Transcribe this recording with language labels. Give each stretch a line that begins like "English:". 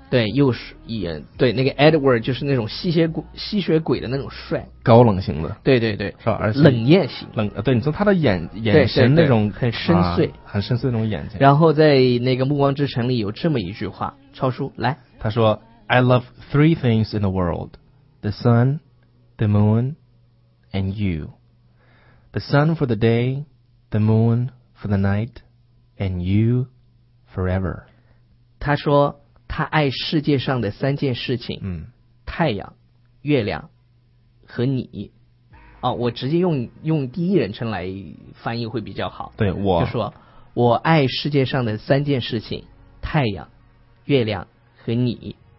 Chinese: 对，又是也对，那个 Edward 就是那种吸血鬼的那种帅，高冷型的，对对对，是吧，而且冷艳型，冷，对，你说他的眼神那种，对对对，很深邃、啊、很深邃那种眼睛。然后在那个暮光之城里有这么一句话，超叔来，
English: 他说 I love three things in the world, the sun, the moon and you, the sun for the dayThe moon for the night, and you forever.
Chinese: 他说他爱世界上的三件事情、嗯、太阳、月亮和你、哦、我直接用第一人称来翻译会比较好。对，我就说我爱世界上的三件事情，太阳、月亮和你。